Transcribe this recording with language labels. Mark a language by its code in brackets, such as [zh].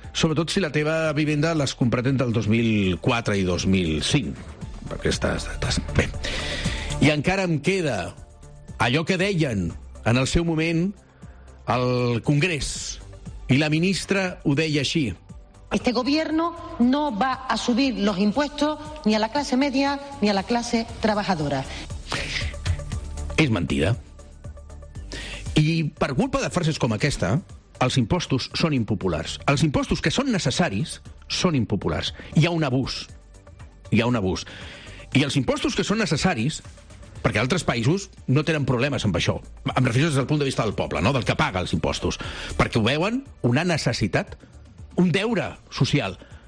[ca] Sobretot si la teva vivenda l'has comprat entre el 2004 i 2005. Perquè estàs... Bé. I encara em queda allò que deien en el seu moment al Congrés. I la ministra ho deia així. [es] Este gobierno no va a subir los impuestos ni a la clase media ni a la clase trabajadora. [ca] És mentida. I per culpa de frases com aquesta, els impostos són impopulars. Els impostos que són necessaris són impopulars. Hi ha un abús. Hi ha un abús. I els impostos que són necessaris, perquè altres països no tenen problemes amb això, em refereixo des del punt de vista del poble, no? Del que paga els impostos, perquè ho veuen una necessitat, un deure social.